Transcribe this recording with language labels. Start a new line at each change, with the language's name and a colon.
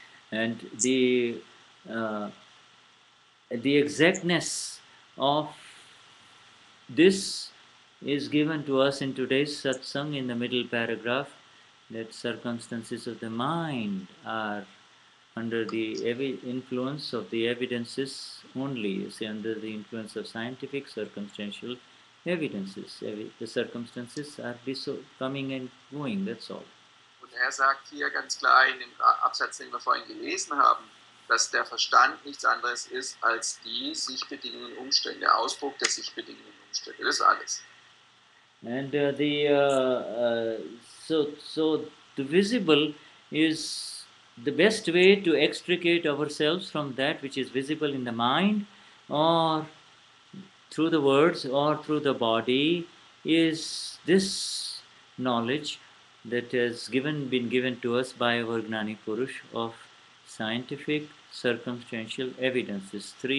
English: And the exactness of this is given to us in today's satsang in the middle paragraph, that circumstances of the mind are under the influence of the evidences only, you see, under the influence of scientific circumstantial evidences. The circumstances are coming and going, that's all.
German: Und er sagt hier ganz klar in dem Absatz, den wir vorhin gelesen haben, dass der Verstand nichts anderes ist als die sich bedingenden Umstände, der Ausdruck der sich bedingenden Umstände. Das ist alles.
English: And the visible is the best way to extricate ourselves from that which is visible in the mind, or through the words, or through the body, is this knowledge that has been given to us by our Gnani Purush of scientific circumstantial evidences.